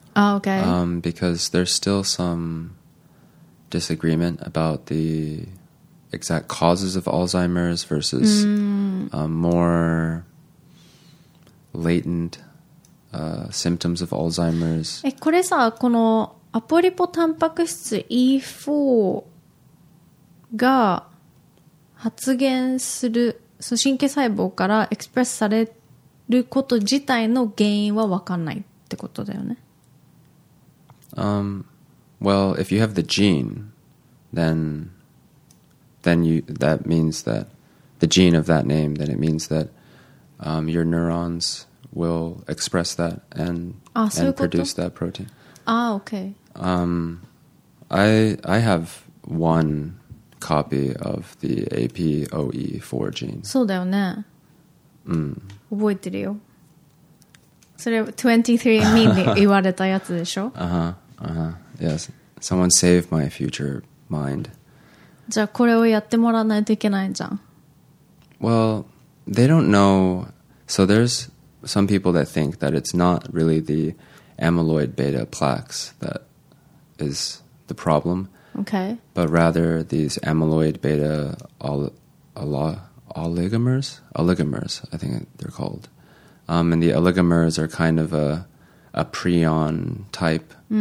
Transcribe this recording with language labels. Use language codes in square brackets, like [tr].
[en] Ah, okay. Because there's still some disagreement about the exact causes of Alzheimer's versus more latent symptoms of Alzheimer's. [ja] え、これさ、このアポリポタンパク質 E4 が発現する、その神経細胞からエクスプレスされること自体の原因は分かんないってことだよね。 [en] Well, if you have the gene, then that means that the gene of that name, then it means that your neurons will express that and produce that protein. Ah, okay. I have one copy of the APOE4 gene. [ja] そうだよね。うん。覚えてるよ。それ23andMe で言われたやつでしょ？ [en] Yes. Someone save my future mind. [ja] じゃあこれをやってもらわないといけないじゃん。 [en] Well, they don't know. So there's some people that think that it's not really the amyloid beta plaques that is the problem. Okay. But rather these amyloid beta oligomers? Oligomers, I think they're called. And the oligomers are kind of a prion type.